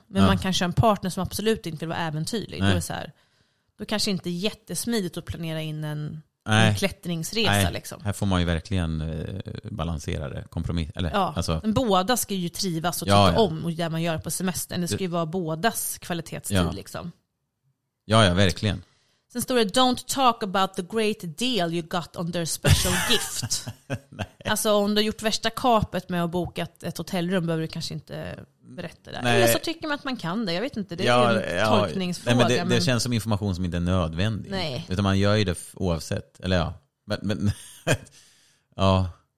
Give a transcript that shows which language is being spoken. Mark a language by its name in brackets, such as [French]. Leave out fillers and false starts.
[Swedish] Men man kanske har en partner som absolut inte vill vara äventyrlig. Nej. Då är så här, då kanske inte jättesmidigt att planera in en klättringsresa. Nej. Liksom. Här får man ju verkligen balansera det. Kompromiss. Eller, ja. Alltså. Men båda ska ju trivas och tycka om och det man gör på semestern. Det ska ju vara bådas kvalitetstid. Ja. Liksom. Ja, verkligen. Sen står det, [English] don't talk about the great deal you got on their special gift. [Swedish] Nej. Alltså om du har gjort värsta kapet med att boka ett hotellrum behöver du kanske inte berätta det. Nej. Eller så tycker man att man kan det, jag vet inte. Det är en tolkningsfråga. Nej, men det känns som information som inte är nödvändig. Nej. Utan man gör ju det oavsett. Eller ja. Men ja.